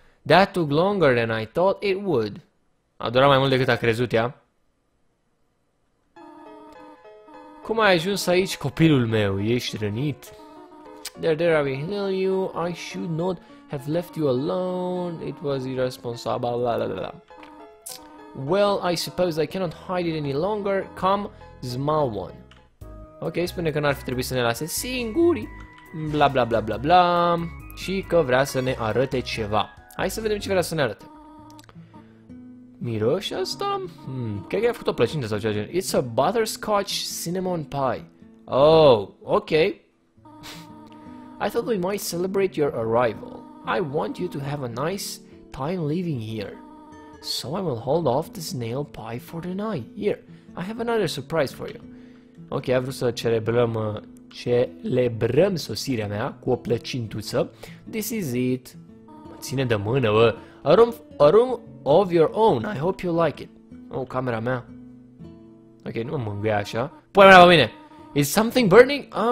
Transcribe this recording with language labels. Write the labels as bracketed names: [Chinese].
[English] That took longer than I thought it would. [Romanian] A durat mai mult decât a crezut ea. Cum ai ajuns aici, copilul meu? Ești rănit? [English] There, I will heal you. I should not have left you alone, it was irresponsible, blah, blah, blah, blah. Well, I suppose I cannot hide it any longer, come, small one. [Romanian] Ok, spune că n-ar fi trebuit să ne lase singuri, bla bla bla bla bla, și că vrea să ne arate ceva. Hai să vedem ce vrea să ne arate. Miroși asta? Cred că i-a făcut o plăcintă sau ceva gen. [English] It's a butterscotch cinnamon pie. Oh, ok. I thought we might celebrate your arrival. I want you to have a nice time living here. So I will hold off the snail pie for the night. Here, I have another surprise for you. [Romanian] Ok, a vrut să celebrăm sosirea mea cu o plăcintuță. [English] This is it. [Romanian] Mă ține de mână, bă. [English] A room of your own. I hope you like it. Oh, [Romanian] camera mea. Ok, nu mă mângâia așa. Pune mâna pe mine. [English] Is something burning?